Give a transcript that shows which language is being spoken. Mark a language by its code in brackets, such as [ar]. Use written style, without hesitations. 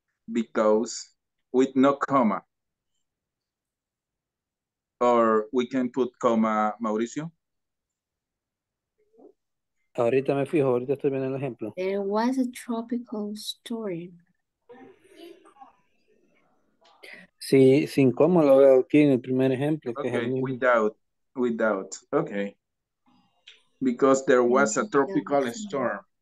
[en] because with no comma, or we can put comma, Mauricio. [es] Ahorita me fijo, ahorita estoy viendo el ejemplo. [en] There was a tropical storm. [es] Sí, sin coma lo veo aquí en el primer ejemplo. [en] Okay, [es] que es el [en] without, okay. Because there was a tropical storm.